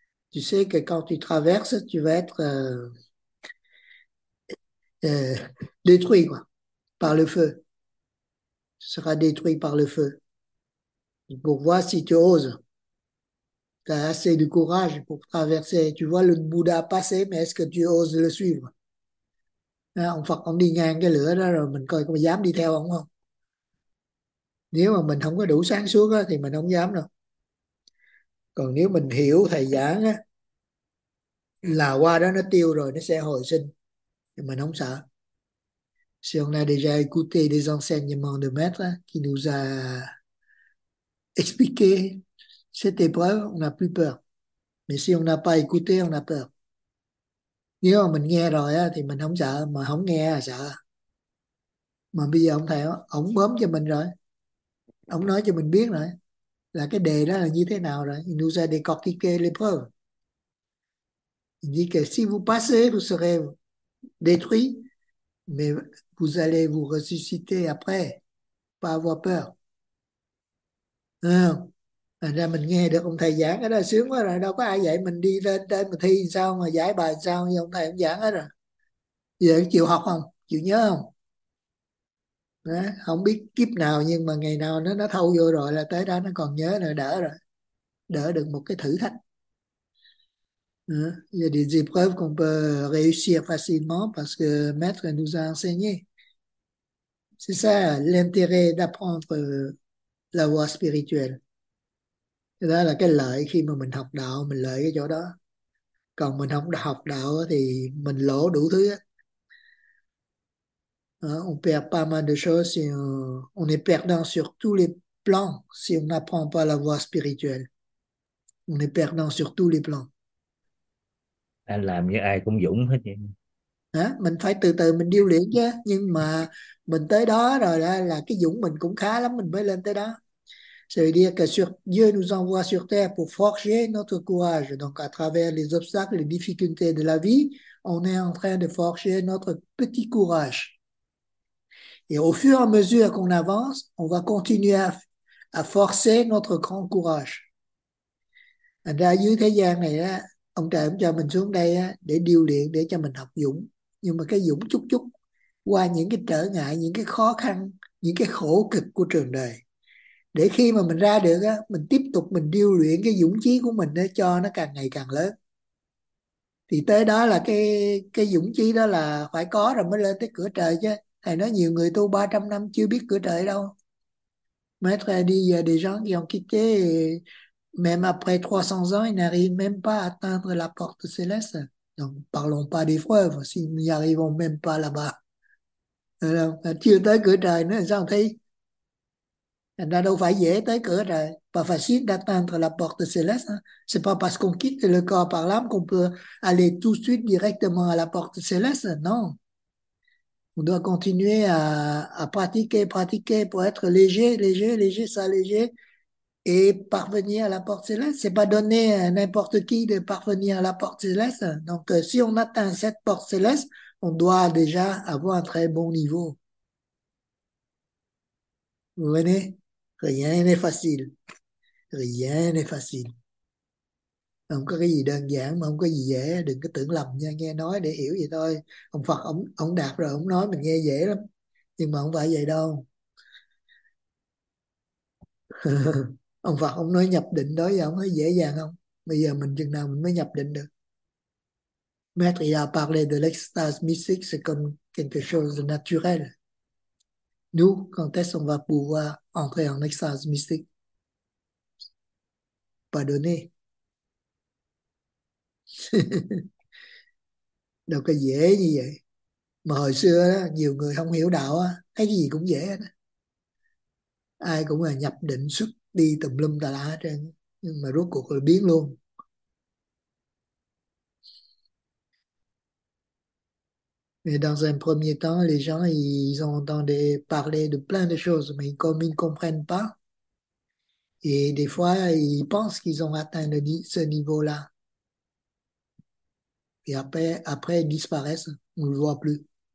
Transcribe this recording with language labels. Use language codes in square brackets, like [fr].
[fr] Tu sais que quand tu traverses, tu vas être détruit, quoi, par le feu. Tu seras détruit par le feu. Pour voir si tu oses. Tu as assez de courage pour traverser. Tu vois le Bouddha passer, mais est-ce que tu oses le suivre? [vi] Ông Phật ông đi ngang cái lửa đó rồi mình coi có dám đi theo ông không? Nếu mà mình không có đủ sáng suốt á, thì mình không dám đâu. Còn nếu mình hiểu thầy giảng á, là qua đó nó tiêu rồi, nó sẽ hồi sinh. Thì mình không sợ. [fr] Si on a déjà écouté les enseignements de maître qui nous a expliqué cette épreuve, on n'a plus peur. Mais si on n'a pas écouté, on a peur. [vi] Nếu mà mình nghe rồi á, thì mình không sợ, mà không nghe là sợ. Mà bây giờ ông thầy ông bấm cho mình rồi, ông nói cho mình biết rồi là cái đề đó là như thế nào rồi. [fr] Il nous a décortiqué l'épreuve. Il dit que si vous passez, vous serez détruit, mais vous allez vous ressusciter après, pas avoir peur. [vi] Thành ra mình nghe được ông thầy giảng cái đó sướng quá rồi, đâu có ai dạy mình đi lên trên mà thi sao mà giải bài sao như ông thầy ông giảng hết rồi. Giờ chịu học không, chịu nhớ không? Đó, không biết kiếp nào nhưng mà ngày nào nó thâu vô rồi là tới đó nó còn nhớ nữa, đỡ rồi, đỡ được một cái thử thách. [fr] Il y a des épreuves qu'on peut réussir facilement parce que maître nous a enseigné. C'est ça l'intérêt d'apprendre la voie spirituelle. [vi] Đó là cái lợi khi mà mình học đạo, mình lợi cái chỗ đó. Còn mình không học đạo thì mình lỗ đủ thứ á. [fr] On perd pas mal de choses si on est perdant sur tous les plans si on n'apprend pas la voie spirituelle. On est perdant sur tous les plans. [vi] Anh làm như ai cũng dũng hết em. Hả? Mình phải từ từ mình điêu luyện chứ, nhưng mà mình tới đó rồi là cái dũng mình cũng khá lắm, mình mới lên tới đó. [fr] C'est-à-dire que sur, Dieu nous envoie sur terre pour forger notre courage. Donc, à travers les obstacles, les difficultés de la vie, on est en train de forger notre petit courage. Et au fur et à mesure qu'on avance, on va continuer à forcer notre grand courage. [vi] Thành ra dưới thế gian này á, ông trời ông cho mình xuống đây á, để điêu luyện, để cho mình học dũng. Nhưng mà cái dũng chút chút qua những cái trở ngại, những cái khó khăn, những cái khổ cực của trường đời. Để khi mà mình ra được á, mình tiếp tục mình điêu luyện cái dũng chí của mình để cho nó càng ngày càng lớn. Thì tới đó là cái dũng chí đó là phải có rồi mới lên tới cửa trời chứ. Thầy nói nhiều người tu 300 năm chưa biết cửa trời đâu. [fr] Maître a dit, il y a des gens qui ont quitté, même après 300 ans, ils n'arrivent même pas à atteindre la porte céleste. Donc, parlons pas des preuves, si nous n'y arrivons même pas là-bas. [vi] Alors, chưa tới cửa trời nữa, sao thi? Thành ra đâu phải dễ tới cửa trời. [fr] Pas facile d'atteindre la porte céleste. C'est pas parce qu'on quitte le corps par l'âme qu'on peut aller tout de suite directement à la porte céleste, non. On doit continuer à pratiquer, pratiquer pour être léger, léger, léger, s'alléger et parvenir à la porte céleste. C'est pas donné à n'importe qui de parvenir à la porte céleste. Donc, si on atteint cette porte céleste, on doit déjà avoir un très bon niveau. Vous venez? Rien n'est facile. Rien n'est facile. [vi] Không có cái gì đơn giản mà không có gì dễ, đừng có tưởng lầm nha, nghe nói để hiểu vậy thôi. Ông Phật ông đạt rồi ông nói mình nghe dễ lắm nhưng mà không phải vậy đâu. Ông Phật ông nói nhập định đó giờ ông nói dễ dàng không, bây giờ mình chừng nào mình mới nhập định được. [fr] Maître il a parlé de l'extase mystique, c'est comme quelque chose de naturel. Nous, quand est-ce qu'on va pouvoir entrer en extase mystique? Pas donné. [vi] Đâu có dễ như vậy. Mà hồi xưa đó, nhiều người không hiểu đạo á, thấy cái gì cũng dễ đó. Ai cũng là nhập định xuất đi tùm lum tà la hết trơn, nhưng mà rốt cuộc là biến luôn. [fr] Mais dans un premier temps, les gens, ils ont entendu parler de plein de choses, mais comme ils ne comprennent pas, et des fois, ils pensent qu'ils ont atteint ce niveau-là. Et après, ils disparaissent, on ne le voit plus.